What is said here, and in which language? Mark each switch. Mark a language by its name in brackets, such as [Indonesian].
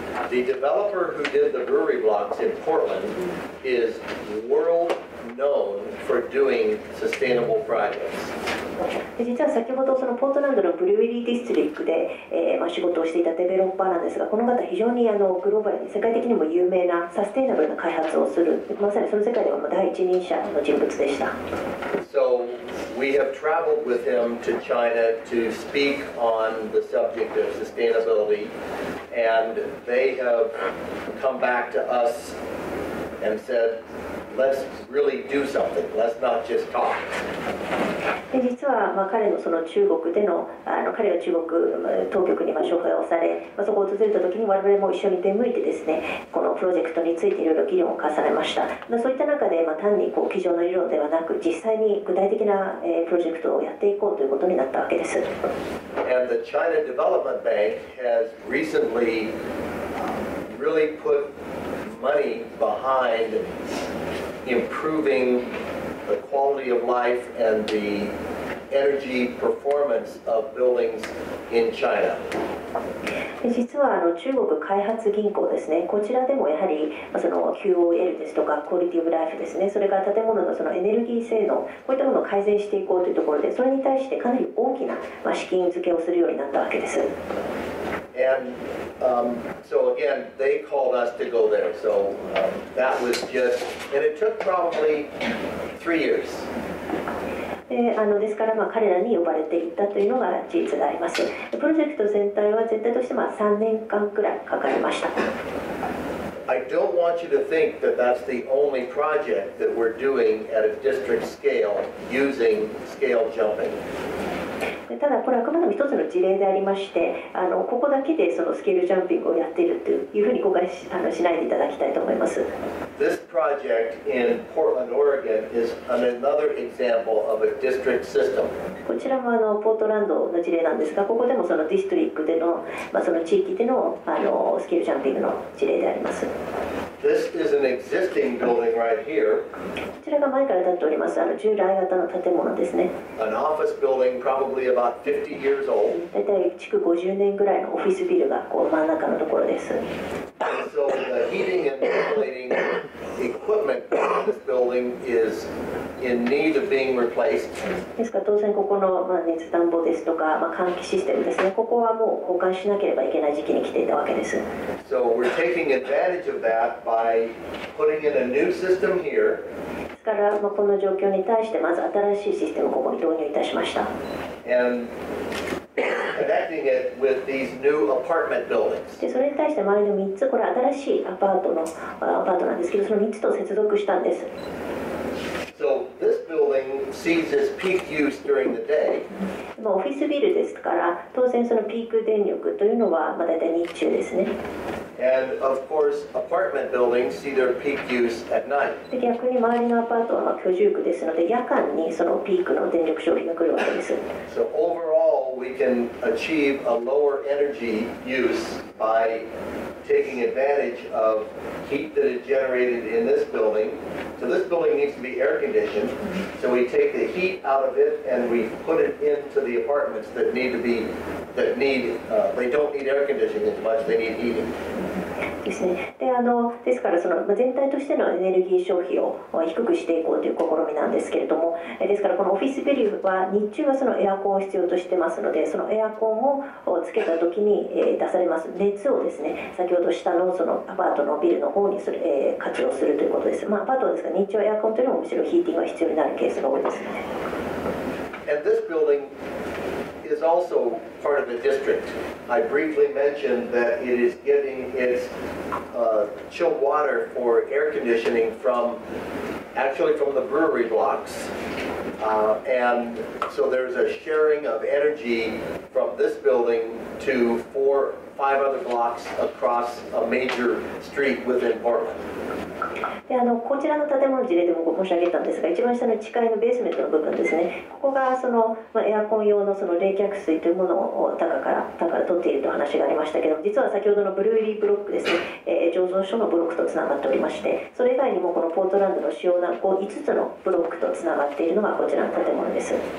[English] The developer who did the brewery blocks in Portland is world known for doing sustainable projects. [Japanese] 実は先ほどそのポートランドのブルーリーディストリックで、まあ仕事をしていたデベロッパーなんですが、この方非常にグローバルに世界的にも有名なサステイナブルな開発をする、まさにその世界では第一人者の人物でした。 [English] So we have traveled with him to China to speak on the subject of sustainability, and they have come back to us and said let's really do something, let's not just talk. [Japanese] で実は、まあ、彼のその中国での、彼が中国当局に招待をされ、まあ、そこを訪れた時に我々も一緒に出向いてですね、このプロジェクトについていろいろ議論を重ねました。まあ、そういった中で、まあ、単にこう机上の理論ではなく、実際に具体的な、プロジェクトをやっていこうということになったわけです。 [English] And the China Development Bank has recently really put money behind improving the quality of life and the energy performance of buildings in China. [Japanese] 実はあの中国開発銀行ですね、こちらでもやはりその QOL ですとかクオリティオブライフですね、それから建物 の, そのエネルギー性能、こういったものを改善していこうというところで、それに対してかなり大きな資金付けをするようになったわけです。 [English] And、so again, they called us to go there. So、that was just, and it took probably 3 years. [Japanese] ですから、まあ、彼らに呼ばれていったというのが事実であります。プロジェクト全体は全体として、まあ、3年間くらいかかりました。 [English] I don't want you to think that that's the only project that we're doing at a district scale using scale jumping. [Japanese] ただこれはあくまでも一つの事例でありまして、ここだけでそのスケールジャンピングをやっているというふうに誤解 しないでいただきたいと思います。 [English] This project in Portland, Oregon is another example of a district system. [Japanese] こちらもポートランドの事例なんですが、ここでもそのディストリックでの、まあ、その地域での、スキルジャンピングの事例であります。 [English] This is an existing building right here. [Japanese] こちらが前から建っております、従来型の建物ですね。 [English] An office building probably about 50 years old. [Japanese] だいたい築50年ぐらいのオフィスビルがこう真ん中のところです。 [English] So the heating and ventilating equipment in this building is in need of being replaced. [Japanese] ですから当然ここの熱暖房ですとか、まあ、換気システムですね、ここはもう交換しなければいけない時期に来ていたわけです。 [English] So we're taking advantage of that by putting in a new system here. [Japanese] ですから、まあ、この状況に対してまず新しいシステムをここに導入いたしました。 [English] And connecting it with these new apartment buildings. [Japanese] でそれに対して周りの3つ、これ新しいアパートのアパートなんですけど、その3つと接続したんです。 [English] So this building sees its peak use during the day. [Japanese] まあオフィスビルですから当然そのピーク電力というのはまあ大体日中ですね。 [English] And of course apartment buildings see their peak use at night. [Japanese] で逆に周りのアパートは居住区ですので、夜間にそのピークの電力消費が来るわけです。 [English] So overallWe can achieve a lower energy use by taking advantage of heat that is generated in this building. So this building needs to be air conditioned. So we take the heat out of it and we put it into the apartments that need to be, that need, they don't need air conditioning as much, they need heating. [Japanese] ですね。で、ですからその全体としてのエネルギー消費を低くしていこうという試みなんですけれども、ですからこのオフィスビルは日中はそのエアコンを必要としてますので、そのエアコンをつけた時に出されます熱をですね、先ほど下のそのアパートのビルの方にする、活用するということです。まあ、アパートですが日中はエアコンというのもむしろヒーティングが必要になるケースが多いですね。 [English] And this building is also part of the district. I briefly mentioned that it is getting its、chilled water for air conditioning from, actually from the brewery blocks.、and so there's a sharing of energy from this building to five other blocks across a major street within Portland. [Japanese] で、こちらの建物の事例でも申し上げたんですが、一番下の地下のベースメントの部分ですね、ここがその、まあ、エアコン用 の, その冷却水というものを高から取っているという話がありましたけど、実は先ほどのブルーリーブロックですね、醸造所のブロックとつながっておりまして、それ以外にもこのポートランドの主要な5つのブロックとつながっているのがこちらの建物です。